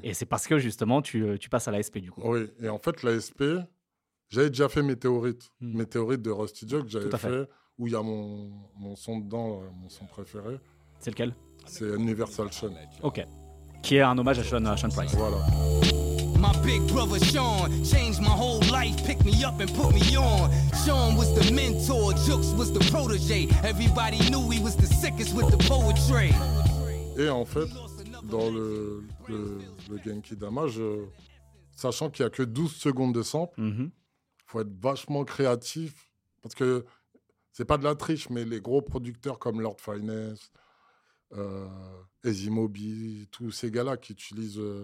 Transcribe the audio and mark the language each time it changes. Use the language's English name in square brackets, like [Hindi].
[French] Et c'est parce que, justement, tu passes à l'ASP, du coup. Oui. Et en fait, l'ASP, j'avais déjà fait Météorite. Mmh. Météorite de Rusty Jock, que j'avais fait. Où il y a mon son dedans, mon son préféré. C'est lequel? C'est Universal Sean. OK. Qui est un hommage à Sean Price. Voilà. [English] My big brother Sean changed my whole life, picked me up and put me on. Sean was the mentor, Jux was the protégé. Everybody knew he was the sickest with the poetry. [French] Et en fait, dans le Genki Dama, sachant qu'il n'y a que 12 secondes de sample, faut être vachement créatif. Parce que c'est pas de la triche, mais les gros producteurs comme Lord Finesse, Ezimobi, tous ces gars-là qui utilisent...